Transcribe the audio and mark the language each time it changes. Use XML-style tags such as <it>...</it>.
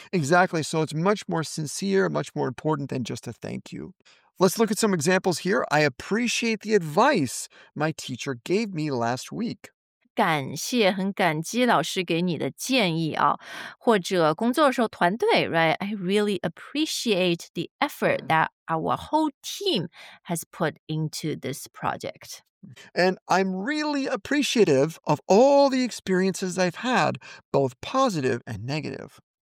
<en>Exactly, so it's much more sincere, much more important than just a thank you. Let's look at some examples here. I appreciate the advice my teacher gave me last week.</en> <zh>感谢，很感激老师给你的建议啊，或者工作的时候团队 right?</zh> <en>I really appreciate the effort that our whole team has put into this project. And I'm really appreciative of all the experiences I've had, both positive and negative.</en>